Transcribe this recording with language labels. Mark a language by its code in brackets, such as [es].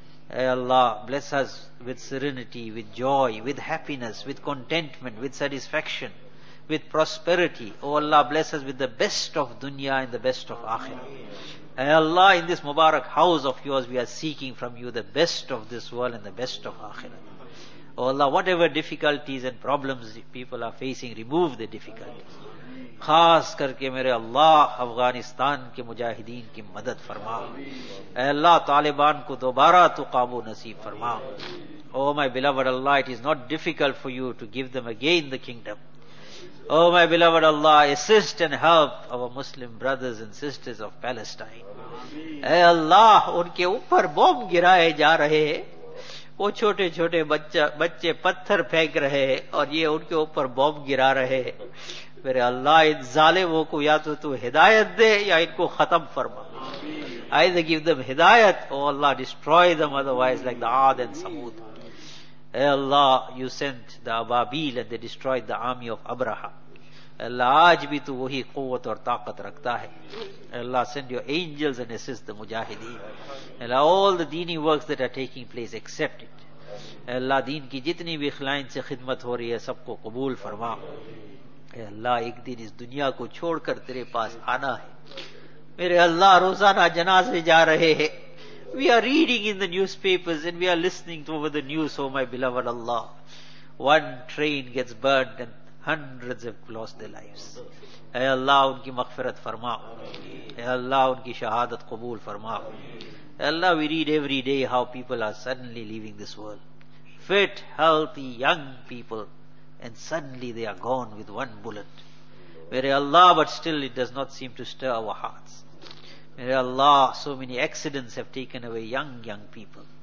[en] Ey Allah, bless us with serenity, with joy, with happiness, with contentment, with satisfaction, with prosperity. Oh Allah, bless us with the best of dunya and the best of akhirah. Ey Allah, in this mubarak house of yours, we are seeking from you the best of this world and the best of akhirah. Oh Allah, whatever difficulties and problems people are facing, remove the difficulties. [ur] خاص کر کے میرے اللہ افغانستان کے مجاہدین کی مدد فرما. اے اللہ, طالبان کو دوبارہ تو قابو نصیب فرما. [en] Oh my beloved Allah, it is not difficult for you to give them again the kingdom. Oh my beloved Allah, assist and help our Muslim brothers and sisters of Palestine. [ur] اے اللہ, ان کے اوپر بوم گرائے جا رہے ہیں, وہ چھوٹے چھوٹے بچے پتھر پھینک رہے ہیں اور یہ ان کے اوپر بوم گرا رہے ہیں. میرے اللہ, ان ظالموں کو یا تو ہدایت دے یا ان کو ختم فرما. [en] Either give them ہدایت, [ur] او اللہ [en] destroy them otherwise like the عاد and ثمود. [ur] اے اللہ, [en] you sent the ابابیل and they destroyed the army of ابرہا. [ur] اے اللہ, آج بھی تو وہی قوت اور طاقت رکھتا ہے. اے اللہ, [en] send your angels and assist the مجاہدین. اے اللہ, all the دینی works that are taking place, accept it. [ur] اے اللہ, دین کی جتنی بھی خلائن سے خدمت ہو رہی ہے, سب کو قبول فرما. اے اللہ, ایک دن اس دنیا کو چھوڑ کر تیرے پاس آنا ہے. میرے اللہ, روزانہ جنازے جا رہے ہیں. [en] We are reading in the newspapers and we are listening to over the news, oh my beloved Allah. One train gets burnt and hundreds have lost their lives. [ur] اے اللہ, ان کی مغفرت فرما. اے اللہ, ان کی شہادت قبول فرما. اے اللہ, [en] we read every day how people are suddenly leaving this world. Fit, healthy, young people. And suddenly they are gone with one bullet. [ur] Mere Allah, [en] but still it does not seem to stir our hearts. Mere Allah, so many accidents have taken away young people.